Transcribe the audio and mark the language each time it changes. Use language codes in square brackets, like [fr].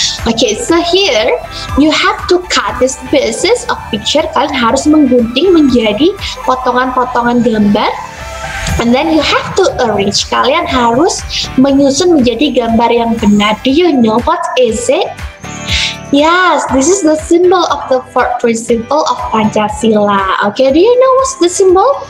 [en] Okay, so here, you have to cut this pieces of picture. [id] Kalian harus menggunting menjadi potongan-potongan gambar. [en] And then you have to arrange. [id] Kalian harus menyusun menjadi gambar yang benar. [en] Do you know what is it? Yes, this is the symbol of the fourth principle of Pancasila. Okay, do you know what's the symbol?